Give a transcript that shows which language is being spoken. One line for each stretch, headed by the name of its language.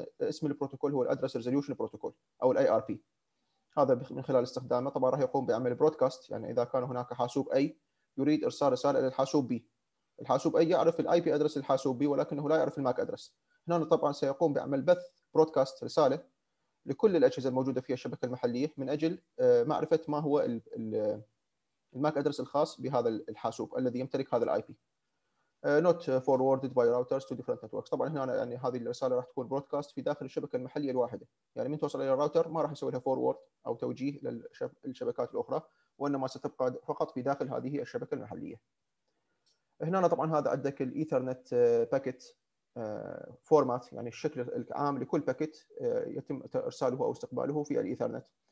Arabic: اسم البروتوكول هو الادرس ريزوليوشن بروتوكول او الاي ار بي. هذا من خلال استخدامه طبعا راح يقوم بعمل برودكاست، يعني اذا كان هناك حاسوب اي يريد ارسال رساله للحاسوب بي، الحاسوب اي يعرف الاي بي ادرس الحاسوب بي ولكنه لا يعرف الماك ادرس، هنا طبعا سيقوم بعمل بث برودكاست رساله لكل الاجهزه الموجوده في الشبكه المحليه من اجل معرفه ما هو الماك ادرس الخاص بهذا الحاسوب الذي يمتلك هذا الاي بي.
English: Not forwarded by routers to different networks.
Arabic: طبعا هنا يعني هذه الرساله راح تكون برودكاست في داخل الشبكه المحليه الواحده، يعني من توصل الى الراوتر ما راح يسوي لها فورورد او توجيه للشبكات الاخرى، وانما ستبقى فقط في داخل هذه الشبكه المحليه. هنا طبعا هذا عندك الايثرنت باكيت فورمات، يعني الشكل العام لكل باكيت يتم ارساله او استقباله في الايثرنت.